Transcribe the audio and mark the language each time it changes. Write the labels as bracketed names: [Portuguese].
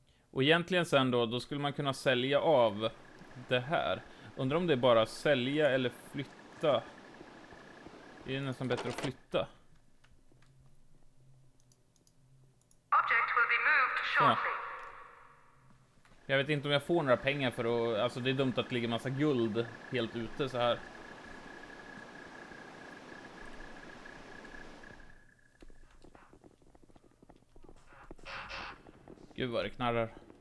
[Swedish] Och egentligen sen då skulle man kunna sälja av det här. Undrar om det är bara sälja eller flytta. Det är nästan bättre att flytta. [English] Object will be moved shortly. [Swedish] Jag vet inte om jag får några pengar för att, alltså det är dumt att det ligger massa guld helt ute så här. Gud vad det knarrar.